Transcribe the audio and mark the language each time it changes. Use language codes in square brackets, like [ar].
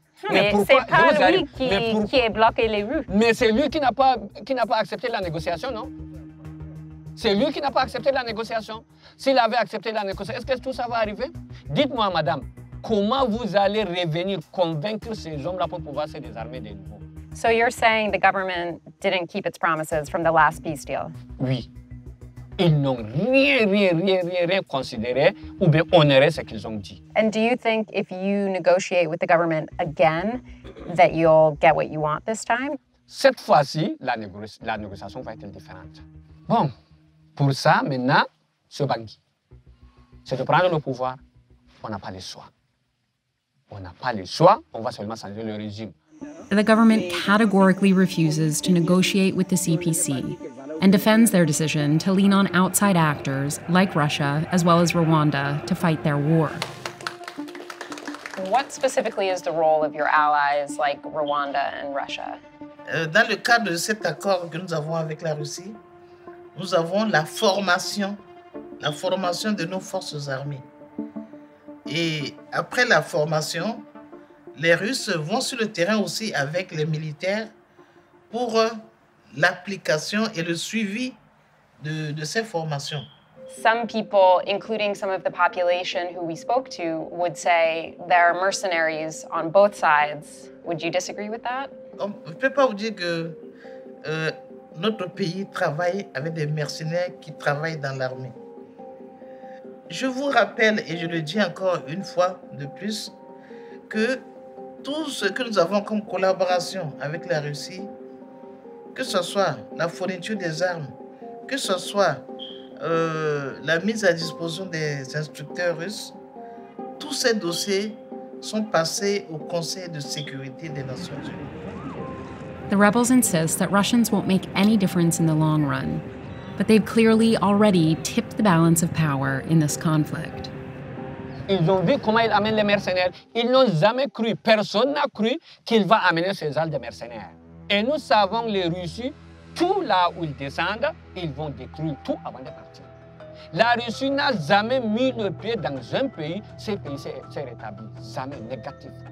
[fr] Non, mais pourquoi, c'est pas lui arrive, qui a bloqué les rues. Mais c'est lui qui n'a pas accepté la négociation, non? C'est lui qui n'a pas accepté la négociation. S'il avait accepté la négociation, est-ce que tout ça va arriver? Dites-moi, madame, comment vous allez revenir convaincre ces hommes-là pour pouvoir se désarmer de nouveau? [en] So you're saying the government didn't keep its promises from the last peace deal? [fr] Oui. Ils n'ont rien considéré ou bien honoré ce qu'ils ont dit. [en] And do you think if you negotiate with the government again, that you'll get what you want this time? [fr] Cette fois-ci, la négociation va être différente. Bon, pour ça, maintenant, ce Bangui, c'est de prendre le pouvoir. On n'a pas le choix. On n'a pas le choix, on va seulement changer le régime. [en] The government categorically refuses to negotiate with the CPC. And defends their decision to lean on outside actors like Russia as well as Rwanda to fight their war. What specifically is the role of your allies like Rwanda and Russia? [fr] Dans le cadre de cet accord que nous avons avec la Russie, Nous avons la formation de nos forces armées. Et après la formation, les Russes vont sur le terrain aussi avec les militaires pour l'application et le suivi de ces formations. [en] Some people, including some of the population who we spoke to, would say there are mercenaries on both sides. Would you disagree with that? [fr] On ne peut pas vous dire que notre pays travaille avec des mercenaires qui travaillent dans l'armée. Je vous rappelle, et je le dis encore une fois de plus, que tout ce que nous avons comme collaboration avec la Russie, que ce soit la fourniture des armes, que ce soit la mise à disposition des instructeurs russes, tous ces dossiers sont passés au Conseil de sécurité des Nations Unies. [en] The rebels insist that Russians won't make any difference in the long run, but they've clearly already tipped the balance of power in this conflict. [fr] Ils ont vu comment ils amènent les mercenaires. Ils n'ont jamais cru, personne n'a cru qu'ils vont amener ces gens de mercenaires. Et nous savons les Russes, tout là où ils descendent, ils vont détruire tout avant de partir. La Russie n'a jamais mis le pied dans un pays, ce pays s'est rétabli, jamais négatif.